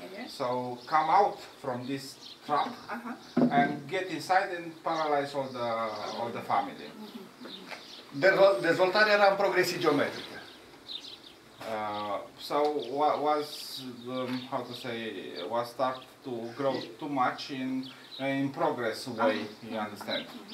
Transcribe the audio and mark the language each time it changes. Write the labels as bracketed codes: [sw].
[en] So come out from this trap and get inside and paralyze all the family. [ro] Dezvoltarea era în progresie geometrică. [en] So what was how to say was start to grow too much in progress way, you understand?